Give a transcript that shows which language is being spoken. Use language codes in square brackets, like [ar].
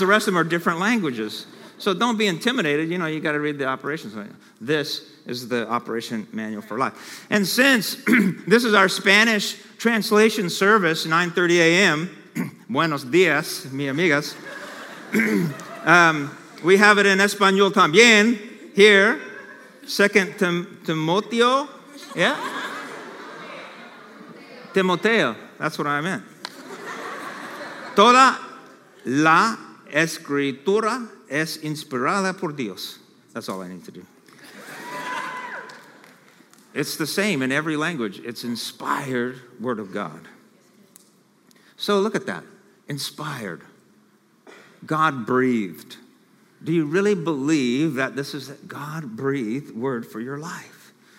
[en] The rest of them are different languages. So don't be intimidated. You know, you got to read the operations manual. This is the operation manual for life. And since this is our Spanish translation service, 9:30 a.m., [es] buenos dias, mi amigas. [en] We have it in Espanol [es] también [en] here. Second Timoteo. Yeah? Timoteo. That's what I meant. [es] Toda la escritura es inspirada por Dios. [en] That's all I need to do. It's the same in every language. It's inspired word of God. So look at that. Inspired. God breathed. Do you really believe that this is a God-breathed word for your life?